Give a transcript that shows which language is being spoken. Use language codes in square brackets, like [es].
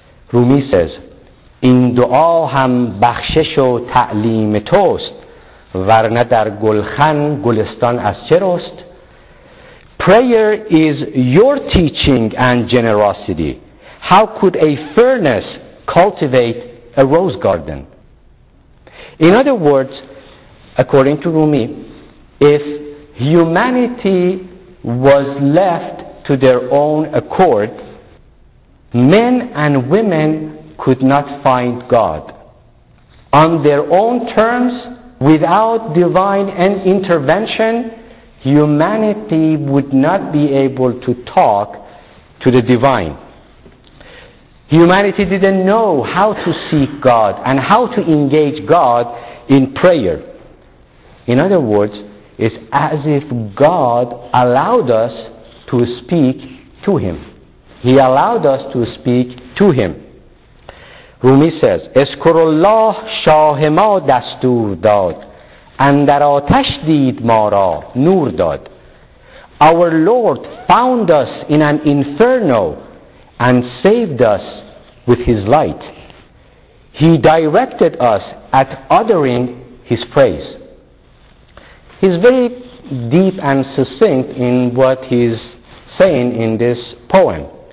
[en] Rumi says, [fa] این دعا هم بخشش و تعلیم توست ورنه در گلخن گلستان از چه رست. [en] Prayer is your teaching and generosity. How could a furnace cultivate a rose garden? In other words, according to Rumi, if humanity was left to their own accord, men and women could not find God. On their own terms, without divine intervention, humanity would not be able to talk to the divine. Humanity didn't know how to seek God and how to engage God in prayer. In other words, it's as if God allowed us to speak to Him. He allowed us to speak to Him. Rumi says, [fa] اذکروا الله شاه ما دستور داد اندر آتش دید ما را نور داد. [en] Our Lord found us in an inferno and saved us with His light. He directed us at uttering His praise. He's very deep and succinct in what he's saying in this poem.